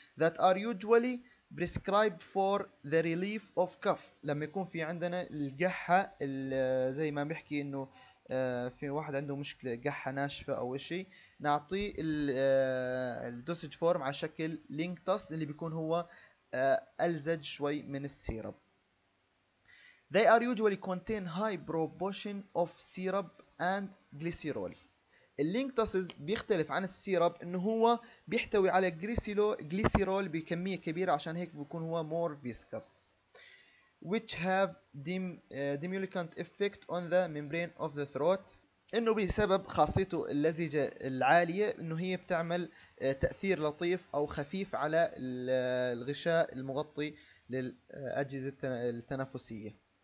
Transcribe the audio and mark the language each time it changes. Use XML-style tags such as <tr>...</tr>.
<en>that are usually prescribed for the relief of cough،</en> <ar>لما يكون في عندنا القحة، زي ما بيحكي انه في واحد عنده مشكلة قحة ناشفة او شيء، نعطي الدوسج فورم على شكل لينكتس اللي بيكون هو الزج شوي من السيرب.</ar> <en>They are usually contain high proportion of syrup and glycerol.</en> <ar>اللينكتس بيختلف عن السيرب انه هو بيحتوي على جليسيرول بكميه كبيره، عشان هيك بيكون هو</ar> <en>More viscous. which have demulcent effect on the membrane of the throat،</en> <ar>انه بسبب خاصيته اللزجه العاليه انه هي بتعمل تاثير لطيف او خفيف على الغشاء المغطي للاجهزه التنفسيه.</ar>